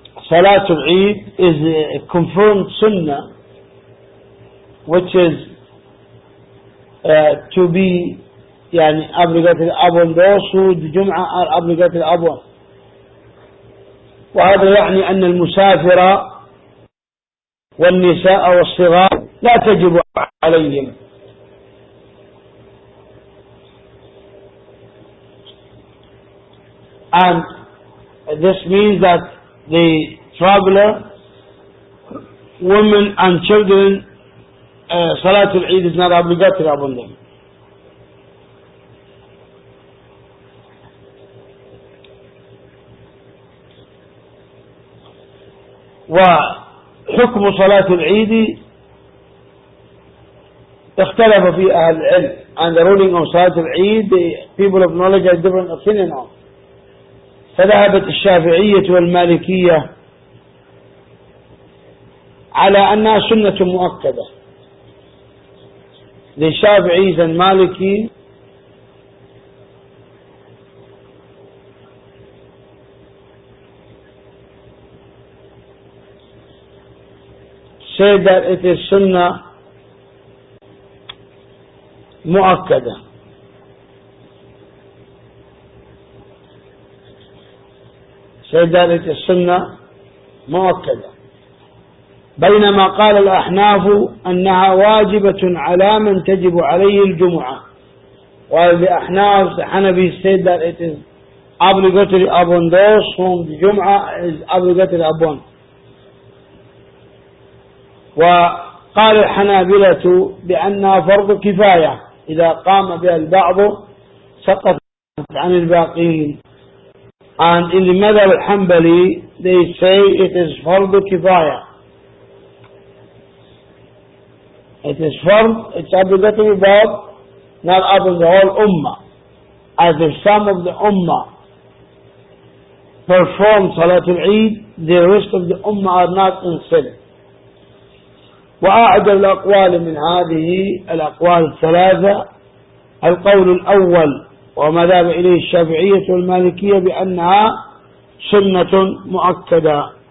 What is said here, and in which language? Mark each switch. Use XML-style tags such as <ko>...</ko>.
<en>صلاة العيد is a confirmed sunnah which is to be يعني obligated upon those who the Jum'a are obligated upon.</en> <ar>وهذا يعني أن المسافر والنساء والصغار لا تجب عليهم.</ar> <en>And this means that the traveler, women and children, Salatul Eid is not obligatory upon them.</en> <ar>وحكم صلاة العيد اختلف في أهل العلم.</ar> <en>And the ruling of صلاة العيد, the people of knowledge are different opinion on.</en> <ar>فذهبت الشافعية والمالكية على أنها سنة مؤكدة.</ar> <en>The Shafi'is and Maliki said that it is sunnah مؤكدة. Said that it is sunnah مؤكدة.</en> <ar>بينما قال الأحناف أنها واجبة على من تجب عليه الجمعة.</ar> <en>While the أحناف, the Hanafi said that it is obligatory upon those whom the جمعة is obligatory upon.</en> <ar>وقال الحنابلة بأنها فرض كفاية إذا قام بها البعض سقطت عن الباقين.</ar> <en>And in the مذهب الحنبلي they say it is فرض كفاية. It is formed, it's obligatory, but not upon the whole Ummah. As if some of the Ummah perform Salatul Eid, the rest of the Ummah are not in sin.</en> <ar>وأعد الأقوال من هذه الأقوال الثلاثة القول الأول ومذهب إليه الشافعية والمالكية بأنها سنة مؤكدة.</ar>